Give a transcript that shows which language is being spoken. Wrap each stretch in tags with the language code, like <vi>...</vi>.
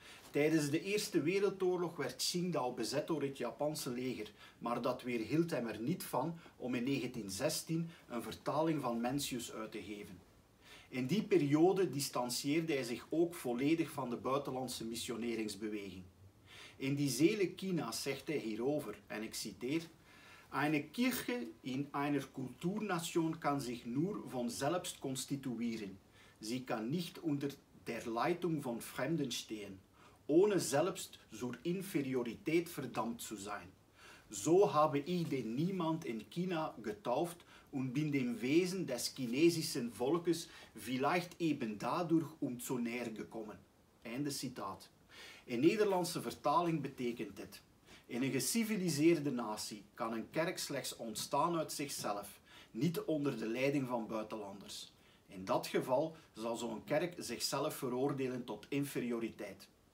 <nl>Tijdens de Eerste Wereldoorlog werd Qingdao bezet door het Japanse leger, maar dat weerhield hem er niet van om in 1916 een vertaling van Mencius uit te geven. In die periode distantieerde hij zich ook volledig van de buitenlandse missioneringsbeweging. In die Zele China zegt hij hierover, en ik citeer:</nl> <de>eine Kirche in einer Kulturnation kann sich nur von selbst konstituieren. Sie kann nicht unter der Leitung von Fremden stehen, ohne selbst zur Inferiorität verdammt zu sein. So habe ich den Niemand in China getauft und bin dem Wesen des chinesischen Volkes vielleicht eben dadurch um zu näher gekommen.</de> <nl>Einde citaat. In Nederlandse vertaling betekent dit: in een geciviliseerde natie kan een kerk slechts ontstaan uit zichzelf, niet onder de leiding van buitenlanders. In dat geval zal zo'n kerk zichzelf veroordelen tot inferioriteit.</nl>